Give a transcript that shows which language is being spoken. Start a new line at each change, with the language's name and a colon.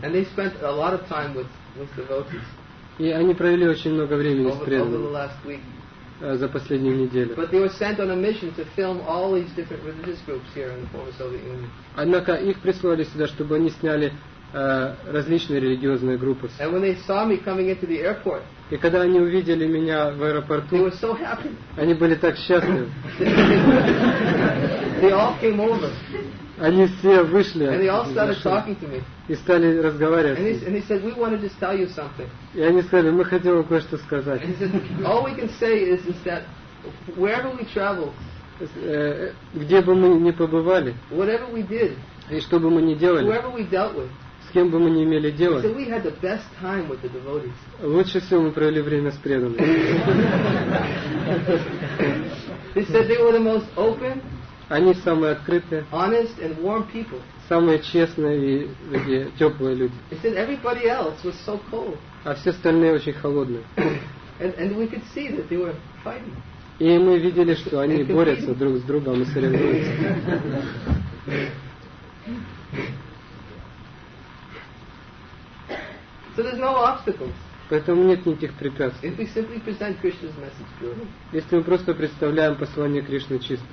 English: And they spent a lot of time with devotees.
Russian: И они провели очень много времени с преданными за последнюю неделю.
English: But they were sent on a mission to film all these different religious groups here in the former Soviet Union.
Russian: Однако их прислали сюда, чтобы они сняли различные религиозные группы.
English: And when they saw me coming into the airport,
Russian: и когда они увидели меня в аэропорту,
English: they were so happy.
Russian: Они были так счастливы.
English: They all came over.
Russian: Они все вышли.
English: And they all started talking to me.
Russian: И стали разговаривать.
English: And he said, we want to just tell you something.
Russian: И они сказали, мы хотим вам кое-что сказать.
English: And he said, all we can say is that wherever we travel,
Russian: где бы мы ни побывали,
English: whatever we did,
Russian: и что бы мы ни делали,
English: whoever we dealt with,
Russian: с кем бы мы ни имели дело,
English: he said, we had the best time with the devotees.
Russian: Лучше всего мы провели время с преданными.
English: He said they were the most open.
Russian: Они самые открытые,
English: honest and warm people.
Russian: Самые честные и такие теплые люди.
English: He said everybody else was so cold.
Russian: А все остальные очень холодные.
English: And we could see that they were fighting.
Russian: И мы видели, что они борются друг с другом и соревнуются.
English: So there's no obstacles.
Russian: Поэтому нет никаких препятствий.
English: If we simply present Krishna's message purely,
Russian: если мы просто представляем послание Кришны чисто,